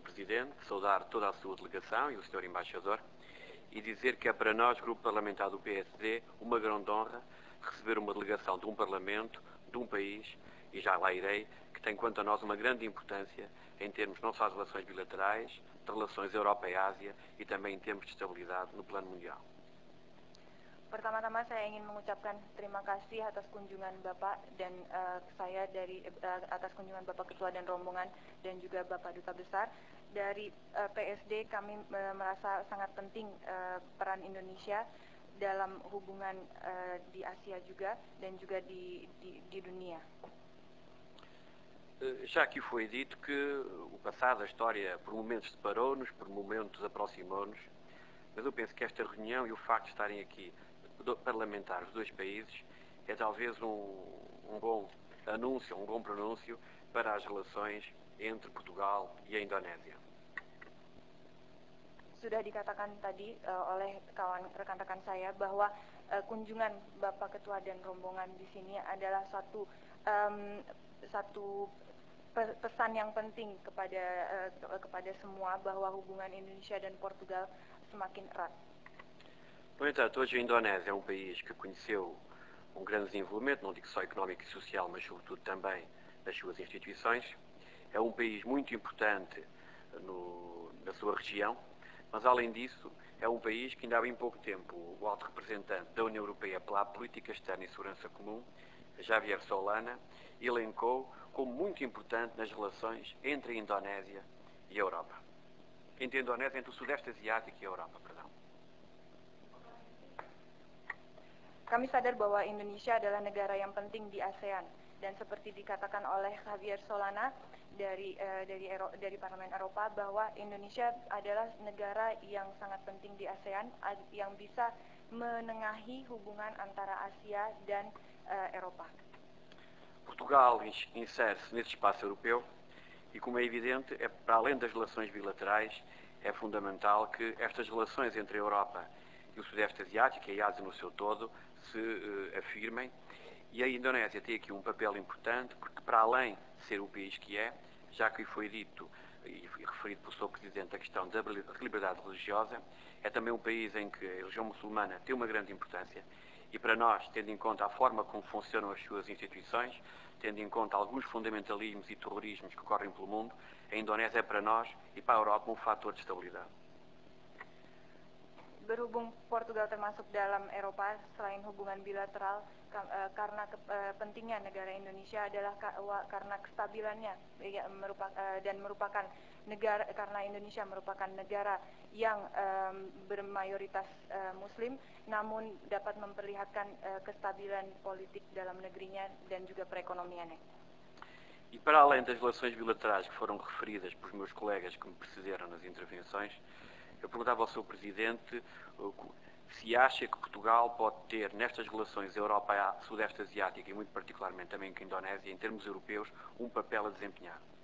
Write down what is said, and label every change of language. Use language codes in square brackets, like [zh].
[pt] Presidente, saudar toda a sua delegação e o Sr. Embaixador, e dizer que é para nós, grupo parlamentar do PSD, uma grande honra receber uma delegação de um Parlamento, de um país, e já lá irei, que tem quanto a nós uma grande importância em termos não só de relações bilaterais, de relações Europa e Ásia, e também em termos de estabilidade no plano mundial. [id] Pertama-tama saya ingin mengucapkan terima kasih atas kunjungan Bapak dan saya dari atas kunjungan Bapak Ketua dan rombongan dan juga Bapak Duta Besar. Dari PSD kami merasa sangat penting peran Indonesia dalam hubungan di Asia juga dan juga di dunia. [pt] Já aqui foi dito que o passado, a história, por momentos separou-nos, por momentos aproximou-nos, mas eu penso que esta reunião e o facto de estarem aqui parlamentares dos dois países é talvez um bom anúncio, um bom pronúncio para as relações entre Portugal e a Indonésia. [id] Sudah dikatakan tadi oleh kawan rekan-rekan saya bahwa kunjungan Bapak Ketua dan rombongan di sini adalah suatu satu pesan yang penting kepada kepada semua bahwa hubungan Indonesia dan Portugal semakin erat. [pt] No entanto, hoje a Indonésia é um país que conheceu um grande desenvolvimento, não digo só económico e social, mas sobretudo também nas suas instituições. É um país muito importante na sua região, mas além disso, é um país que ainda há bem pouco tempo o alto representante da União Europeia pela Política Externa e Segurança Comum, Javier Solana, elencou como muito importante nas relações entre a Indonésia e a Europa. Entre a Indonésia, entre o Sudeste Asiático e a Europa, perdão. [id] Kami sadar bahwa Indonesia adalah negara yang penting di ASEAN dan seperti dikatakan oleh Javier Solana dari Parlemen Eropa bahwa Indonesia adalah negara yang sangat penting di ASEAN yang bisa menengahi hubungan antara Asia dan Eropa. [pt] Portugal insere-se nesse espaço europeu e como é evidente, é para além das relações bilaterais, é fundamental que estas relações entre a Europa e o Sudeste Asiático e a Ásia no seu todo se afirmem e a Indonésia tem aqui um papel importante porque para além de ser o país que é, já que foi dito e referido pelo Sr. Presidente a questão da liberdade religiosa, é também um país em que a religião muçulmana tem uma grande importância e para nós, tendo em conta a forma como funcionam as suas instituições, tendo em conta alguns fundamentalismos e terrorismos que ocorrem pelo mundo, a Indonésia é para nós e para a Europa um fator de estabilidade. [id] berhubung Portugal termasuk dalam Eropa selain hubungan bilateral karena pentingnya negara Indonesia adalah karena kestabilannya dan merupakan negara karena Indonesia merupakan negara yang bermayoritas Muslim, namun dapat memperlihatkan kestabilan politik dalam negerinya dan juga perekonomiannya. [pt] E para além das relações bilaterais que foram referidas pelos meus colegas que me precederam nas intervenções, eu perguntava ao Sr. Presidente se acha que Portugal pode ter nestas relações Europa-Sudeste Asiática e muito particularmente também com a Indonésia, em termos europeus, um papel a desempenhar.